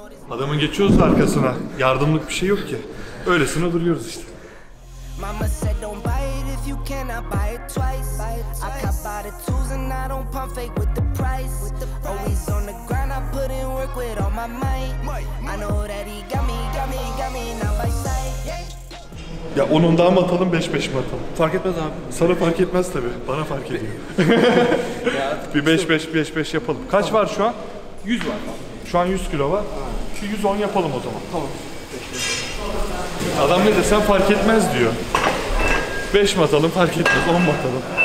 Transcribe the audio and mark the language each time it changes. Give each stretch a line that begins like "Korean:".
Turkish: Adamın geçiyoruz arkasına. Yardımlık bir şey yok ki. Öylesine duruyoruz işte.
English: Mama said don't buy it if you cannot buy it twice. I cop out the tools and I don't pump fake with the price. Always on the grind, I put in work with all my might. I know that he got me, got me, got me now by sight.
Turkish: Ya onun daha mı atalım, 5-5 mi atalım? Fark etmez abi. Sana fark etmez tabii. Bana fark ediyor. Bir 5-5 yapalım. Kaç tamam. var şu an? 100 var. Şu an 100 kilo var. Ha. 110 yapalım o zaman. Tamam. Adam ne de sen fark etmez diyor. 5 mi atalım fark etmez, 10 mu atalım?